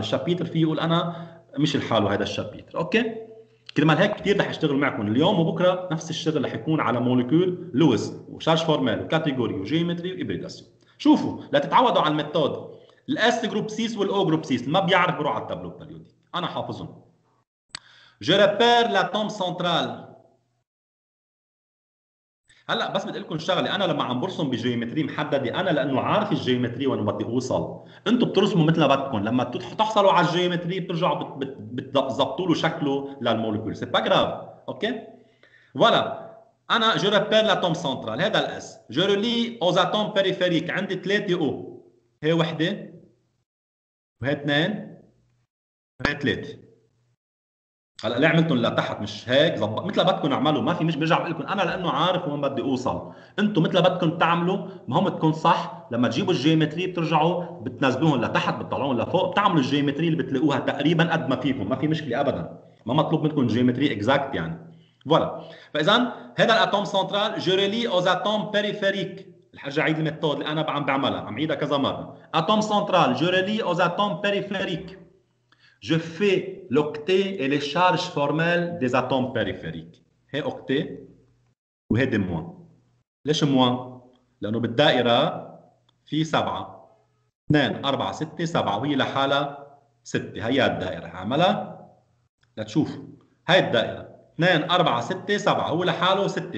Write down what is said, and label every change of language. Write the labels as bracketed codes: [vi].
[ar] الشابيتر فيه يقول أنا مش الحال وهذا الشابيتر. أوكي؟ كرمال هيك كتير رح اشتغل معكم اليوم وبكرة نفس الشغل اللي حيكون على موليكول لويس وشارج فورمال وكاتيجوري وجيومتري وإبريداسيون. شوفوا لا تتعودوا على الميثود. الأس جروب سيس والأو جروب سيس ما بيعرف بروح على التابلو البريودي. أنا حافظهم. [fr] Je repère l'atome central. [ar] هلا بس بدي اقول لكم شغله، انا لما عم برسم بجيومتري محدده، انا لانه عارف الجيومتري وين بدي اوصل، انتم بترسموا مثل ما بدكم. لما تحصلوا على الجيومتري بترجعوا بتظبطوا له شكله للمولكيول. [fr] سي با غراف. [ar] اوكي فوالا. [fr] انا je repère l'atome central، [ar] هذا الاس. [fr] je relie aux atomes périphériques، [ar] عندي 3 او، هي وحده وهي اثنين وهي ثلاثه. هلا ليه عملتهم لتحت؟ مش هيك ظبط مثل بدكم اعملوا، ما في مش برجع بقول لكم انا لانه عارف وين بدي اوصل، انتم مثل بدكم تعملوا. مهم تكون صح. لما تجيبوا الجيومتري بترجعوا بتنزلوهم لتحت، بتطلعوهم لفوق، بتعملوا الجيومتري اللي بتلاقوها تقريبا قد ما فيكم، ما في مشكله ابدا. ما مطلوب منكم جيومتري اكزاكت يعني. فوالا. فاذا هذا الاتوم سنترال، [fr] جو ريلي اوز اتوم بيريفيريك. [ar] الحاجة عيد الميثود اللي انا عم بعملها، عم عيدها كذا مره. [fr] اتوم سنترال، جو ريلي اوز اتوم بيريفيريك. Je fais l'octet et les charges formelles des atomes périphériques. [ar] هي اوكتي وهي دي موان. ليش موان؟ لأنه بالدائرة في 7. 2 4 6 7 وهي لحالها 6. هي الدائرة عملها لتشوف. هي الدائرة 2 4 6 7 هو لحاله 6.